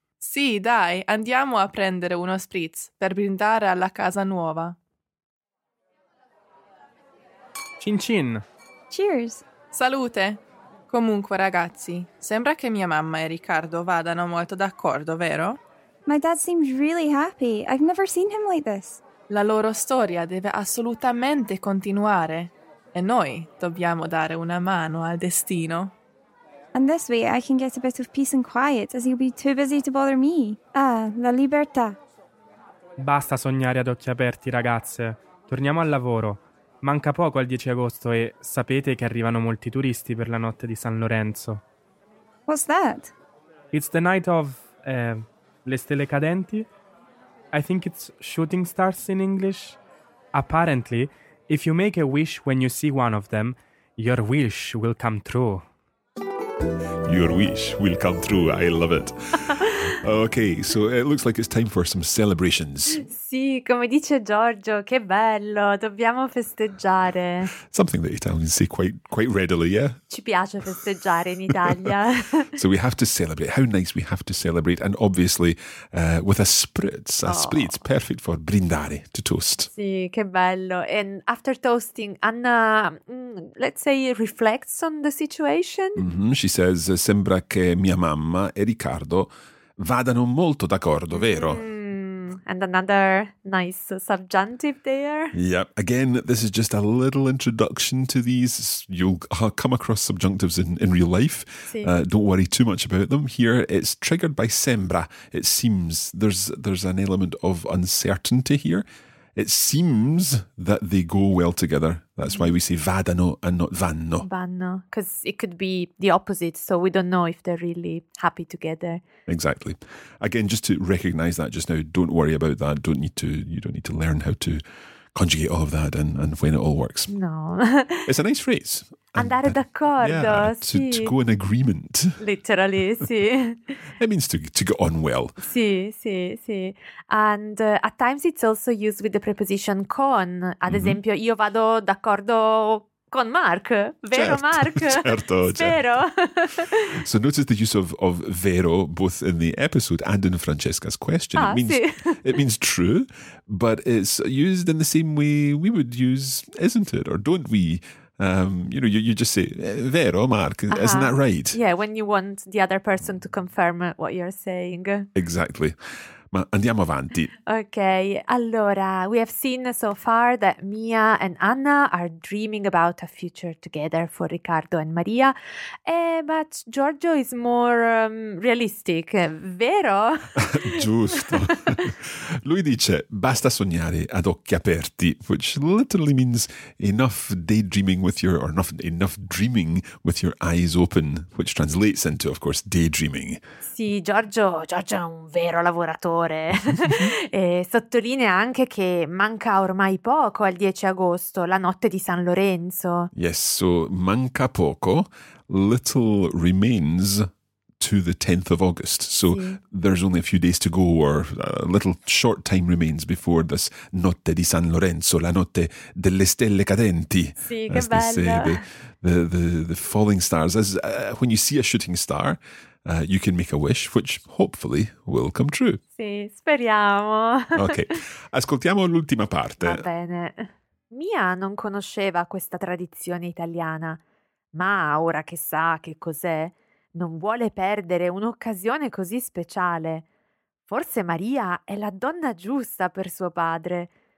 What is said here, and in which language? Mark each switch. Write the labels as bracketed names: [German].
[Italian] Sì, dai, andiamo a prendere uno spritz per brindare alla casa nuova. Cin cin! [English] Cheers! [Italian] Salute! Comunque, ragazzi, sembra che mia mamma e Riccardo vadano molto d'accordo, vero? [English] My dad seems really happy. I've never seen him like this. [Italian] La loro storia deve assolutamente continuare. E noi dobbiamo dare una mano al destino. [English] And this way I can get a bit of peace and quiet, as you'll be too busy to bother me. [Italian] Ah, la libertà. Basta sognare ad occhi aperti, ragazze. Torniamo al lavoro. Manca poco al 10 agosto e sapete che arrivano molti turisti per la notte di San Lorenzo. [English] What's that? It's the night of... [Italian] le stelle cadenti? [English] I think it's shooting stars in English. Apparently, if you make a wish when you see one of them, your wish will come true. Your wish will come true. I love it. Okay, so it looks like it's time for some celebrations. [Italian] Sì, come dice Giorgio, che bello, dobbiamo festeggiare. [English] Something that Italians say quite readily, yeah? [Italian] Ci piace festeggiare in Italia. [English] So we have to celebrate. How nice, we have to celebrate. And obviously with a spritz, spritz, perfect for brindare, to toast. [Italian] Sì, che bello. [English] And after toasting, Anna, let's say, reflects on the situation. Mm-hmm. She says, [Italian] sembra che mia mamma e Riccardo... vadano molto d'accordo, vero? [English] And another nice subjunctive there. Yeah, again, this is just a little introduction to these. You'll come across subjunctives in real life. [Italian] Sì. [English] Don't worry too much about them. Here, it's triggered by sembra. It seems there's an element of uncertainty here. It seems that they go well together. That's why we say vadano and not vanno. Vanno, because it could be the opposite, so we don't know if they're really happy together. Exactly. Again, just to recognize that just now, don't worry about that. You don't need to learn how to conjugate all of that and when it all works. No. It's a nice phrase. [Italian] Andare d'accordo, [English] yeah, [Italian] sì. [English] To go in agreement. Literally, sì. It means to get on well. [Italian] Sì, sì, sì. [English] And at times it's also used with the preposition con. [Italian] Ad mm-hmm. esempio, io vado d'accordo con Mark. Vero, certo, Mark? Certo, spero. Certo. [English] So notice the use of vero both in the episode and in Francesca's question. Ah, it means, [Italian] sì. [English] It means true, but it's used in the same way we would use, isn't it? Or don't we? You know, you just say, vero, Mark, uh-huh. Isn't that right? Yeah, when you want the other person to confirm what you're saying. Exactly. [Italian] Ma andiamo avanti. [English] Okay, allora, we have seen so far that Mia and Anna are dreaming about a future together for Riccardo and Maria, but Giorgio is more realistic, vero? [Italian] Giusto. Lui dice, basta sognare ad occhi aperti, [English] which literally means enough dreaming with your eyes open, which translates into, of course, daydreaming. [Italian] Sì, Giorgio è un vero lavoratore. ore. E sottolinea anche che manca ormai poco al 10 agosto, la notte di San Lorenzo. [English] Yes, so [Italian] manca poco, [English] little remains to the 10th of August. So sì, there's only a few days to go, or a little short time remains before this notte di San Lorenzo, [Italian] la notte delle stelle cadenti. Sì, che bello. [English] The falling stars. When you see a shooting star, you can make a wish, which hopefully will come true. [Italian] Sì, speriamo. Ok, ascoltiamo l'ultima parte. Va bene. Mia non conosceva questa tradizione italiana, ma ora che sa che cos'è, non vuole perdere un'occasione così speciale. Forse Maria è la donna giusta per suo padre.